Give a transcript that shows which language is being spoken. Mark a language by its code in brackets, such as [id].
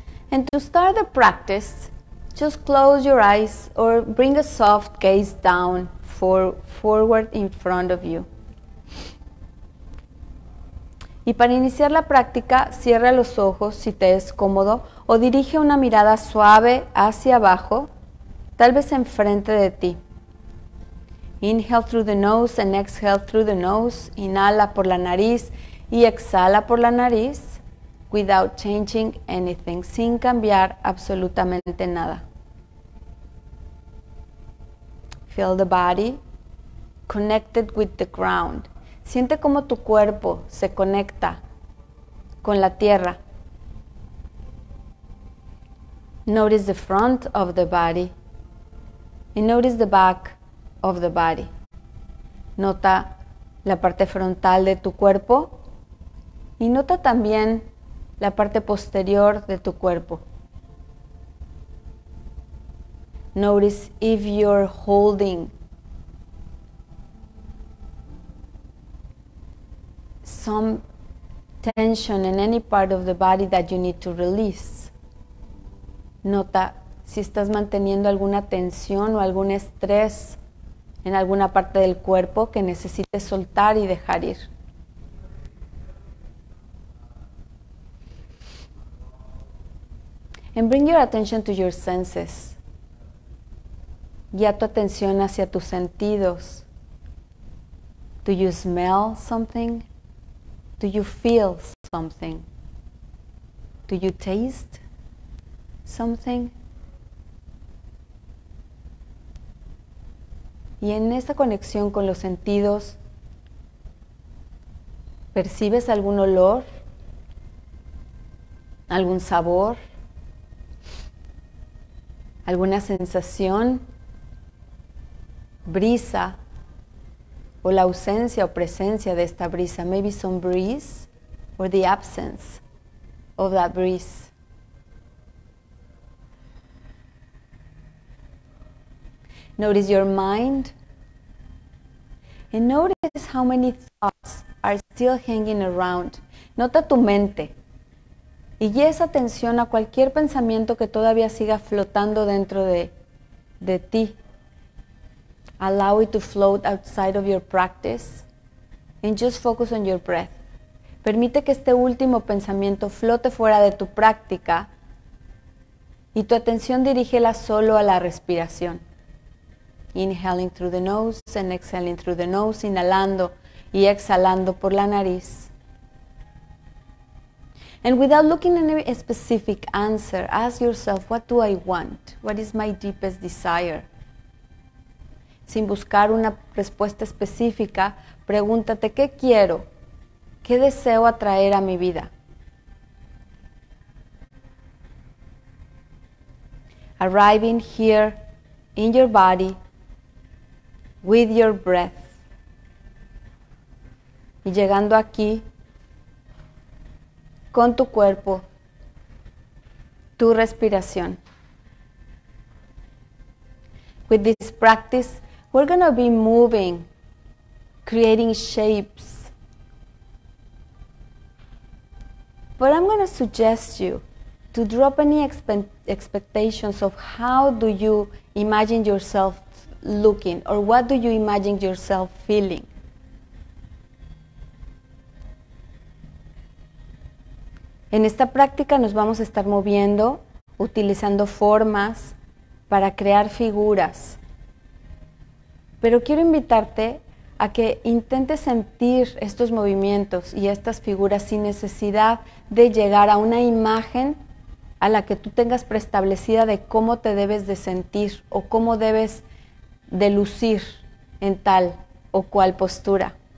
[en] And to start the practice, just close your eyes or bring a soft gaze down forward in front of you. [es] Y para iniciar la práctica, cierra los ojos si te es cómodo o dirige una mirada suave hacia abajo, tal vez enfrente de ti. [en] Inhale through the nose and exhale through the nose. [es] Inhala por la nariz y exhala por la nariz. [en] Without changing anything, [es] sin cambiar absolutamente nada. [en] Feel the body connected with the ground. [es] Siente cómo tu cuerpo se conecta con la tierra. [en] Notice the front of the body and notice the back of the body. [es] Nota la parte frontal de tu cuerpo y nota también la parte posterior de tu cuerpo. [en] Notice if you're holding some tension in any part of the body that you need to release. [es] Nota si estás manteniendo alguna tensión o algún estrés en alguna parte del cuerpo que necesites soltar y dejar ir. [en] And bring your attention to your senses. [es] Guía tu atención hacia tus sentidos. [en] Do you smell something? Do you feel something? Do you taste something? [es] Y en esta conexión con los sentidos, ¿percibes algún olor? ¿Algún sabor? ¿Alguna sensación, brisa o la ausencia o presencia de esta brisa? [en] Maybe some breeze or the absence of that breeze. Notice your mind and notice how many thoughts are still hanging around. [es] Nota tu mente. Y guía esa atención a cualquier pensamiento que todavía siga flotando dentro de ti. [en] Allow it to float outside of your practice and just focus on your breath. [es] Permite que este último pensamiento flote fuera de tu práctica y tu atención dirígela solo a la respiración. [en] Inhaling through the nose and exhaling through the nose, [es] inhalando y exhalando por la nariz. [en] And without looking at any specific answer, ask yourself, what do I want? What is my deepest desire? [es] Sin buscar una respuesta específica, pregúntate, ¿qué quiero? ¿Qué deseo atraer a mi vida? [en] Arriving here in your body with your breath. [es] Y llegando aquí, con tu cuerpo, tu respiración. [en] With this practice, we're going to be moving, creating shapes. But I'm going to suggest you to drop any expectations of how do you imagine yourself looking or what do you imagine yourself feeling. [es] En esta práctica nos vamos a estar moviendo, utilizando formas para crear figuras. Pero quiero invitarte a que intentes sentir estos movimientos y estas figuras sin necesidad de llegar a una imagen a la que tú tengas preestablecida de cómo te debes de sentir o cómo debes de lucir en tal o cual postura.